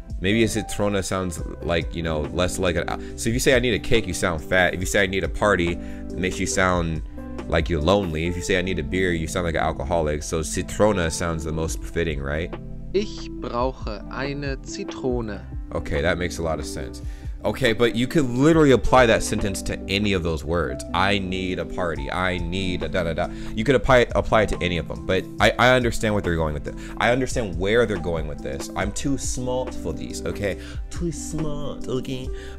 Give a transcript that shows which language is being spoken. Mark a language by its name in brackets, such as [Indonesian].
[English] Maybe a Citrona sounds like, you know, less like an... So if you say I need a cake, you sound fat. If you say I need a party, it makes you sound like you're lonely. If you say I need a beer, you sound like an alcoholic. So Citrona sounds the most fitting, right? [German] Ich brauche eine Zitrone. [English] Okay, that makes a lot of sense. Okay, but you could literally apply that sentence to any of those words. I need a party. I need a da-da-da. You could apply it to any of them. But I understand what they're going with it. I understand where they're going with this. I'm too smart for these, okay? Too smart, okay?